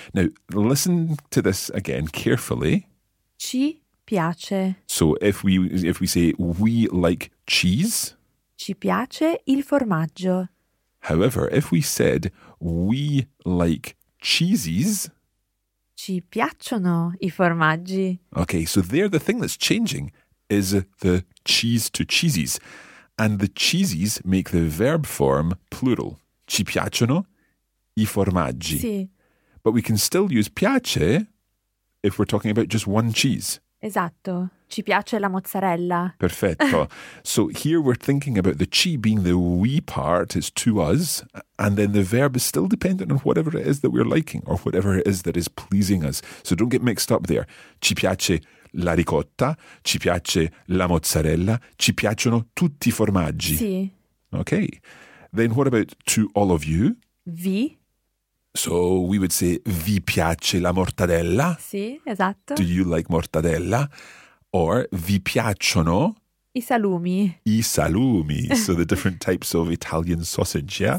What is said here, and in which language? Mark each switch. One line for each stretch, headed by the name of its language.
English: Now, listen to this again carefully.
Italian: Ci piace.
English: So if we say we like cheese.
Italian: Ci piace il formaggio.
English: However, if we said we like cheeses.
Italian: Ci piacciono i formaggi.
English: Okay, so there the thing that's changing is the cheese to cheesies. And the cheesies make the verb form plural.
Italian: Ci piacciono i formaggi. Sì.
English: But we can still use piace if we're talking about just one cheese.
Italian: Esatto. Ci piace la mozzarella. Perfetto.
English: So here we're thinking about the ci being the we part, it's to us, and then the verb is still dependent on whatever it is that we're liking or whatever it is that is pleasing us. So don't get mixed up there.
Italian: Ci piace la ricotta, ci piace la mozzarella, ci piacciono tutti i formaggi. Sì.
English: Okay. Then what about to all of you?
Italian: Vi.
English: So we would say
Italian: vi piace la mortadella. Sì, esatto.
English: Do you like mortadella? Or
Italian: vi piacciono i salumi. I salumi.
English: So the different types of Italian sausage, yeah?